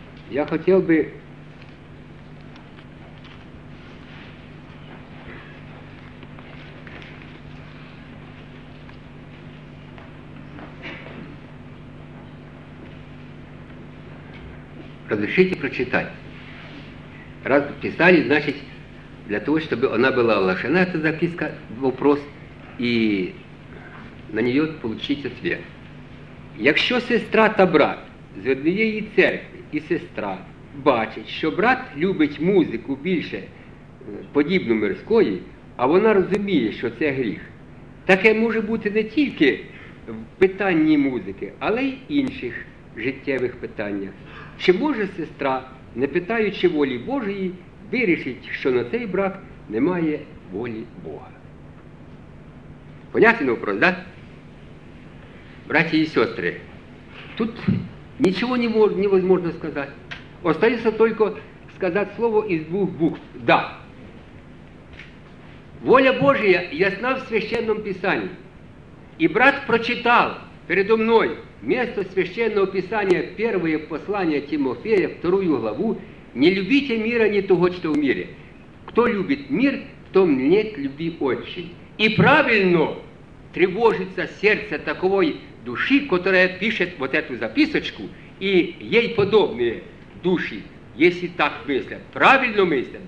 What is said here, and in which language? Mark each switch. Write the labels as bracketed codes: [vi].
[ru] Я хотел бы разрешите прочитать. Раз писали, значит, для того, чтобы она была оглашена, эта записка, вопрос, и на нее получить ответ. [uk] Якщо сестра та брат з однієї церкви, і сестра бачить, що брат любить музику більше подібну мирської, а вона розуміє, що це гріх, таке може бути не тільки в питанні музики, але й інших життєвих питаннях. Чи може сестра, не питаючи волі Божої, вирішить, що на цей брак немає волі Бога? [ru] Понятний вопрос, так? [uk] Браті і сестри, тут нічого невозможно сказати. Остається тільки сказати слово із двох букв. Да. Воля Божія ясна в священному писанні. І брат прочитав передо мною место священного писання, перше послання Тимофея, 2 главу. [ru] Не любите мира, не того, что в мире. Кто любит мир, в том нет любви Отчей. И правильно тревожится сердце таковой души, которая пишет вот эту записочку, и ей подобные души, если так мыслят. Правильно мыслят.